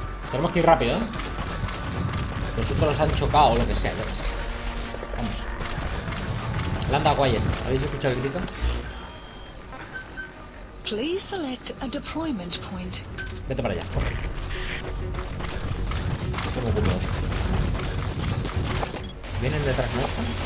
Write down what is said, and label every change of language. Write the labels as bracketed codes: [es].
[es] Tenemos que ir rápido, ¿eh? Los otros los han chocado o lo que sea, yo qué sé. Vamos. Landa Quiet. ¿Habéis escuchado el grito? [en] Please select a deployment point. [es] Vete para allá, corre. ¿Cómo te vienen detrás nuestro?